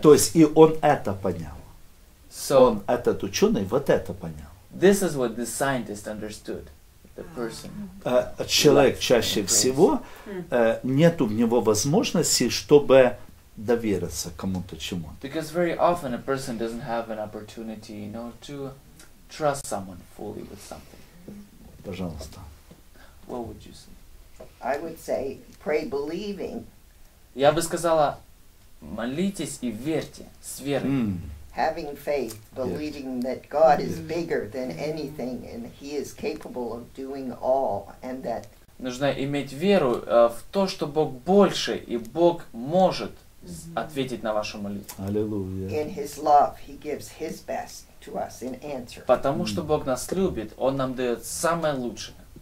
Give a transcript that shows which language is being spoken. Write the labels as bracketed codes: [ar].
[ru] То есть и он это понял. [en] So, [ru] он этот ученый вот это понял. [en] This is what the scientist understood. The person. [ru] Человек чаще всего нет у него возможности, чтобы довериться кому-то чему-то. [en] Because very often a person doesn't have an opportunity, you know, to trust someone fully with something. [ru] Пожалуйста. [en] What would you say? I would say pray believing. [ru] Я бы сказала, молитесь и верьте, с верой. Mm. [en] Having faith, believing yes. that God yes. is bigger than anything and he is capable of doing all and that. [ru] Нужно иметь веру в то, что Бог больше и Бог может ответить на вашу молитву. Аллилуйя. [en] In his love he gives his best to us in answer. [ru] Потому что Бог нас любит, он нам даёт самое лучшее.